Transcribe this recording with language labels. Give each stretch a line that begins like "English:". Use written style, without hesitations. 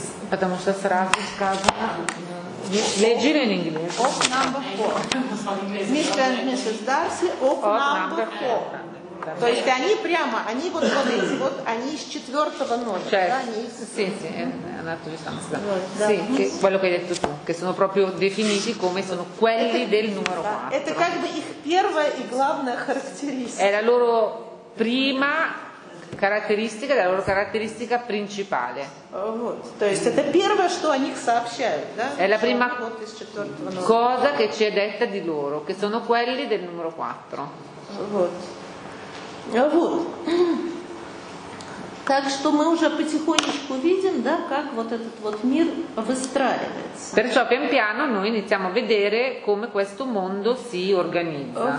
Russian: Потому что сразу сказано...
Italian: Leggere in inglese.
English: Of number four. Mr. and Mrs. Darcy of number four.
Russian: То есть они прямо, они вот смотрите, вот они из четвертого номера.
Italian: Sì, sì, è andato già stanza. Sì, quello che hai detto tu, che sono proprio definiti come sono quelli del numero 4.
Russian: Это как бы их первая и главная характеристика.
Italian: È la loro prima caratteristica, la loro caratteristica principale.
Russian: То есть это первое, что о них сообщают, да?
Italian: È la prima cosa che ci è detta di loro, che sono quelli del numero 4.
Russian: Вот. Так что мы уже потихонечку видим, да, как вот этот вот мир выстраивается.
Italian: Perciò pian piano noi iniziamo a vedere come questo mondo si organizza.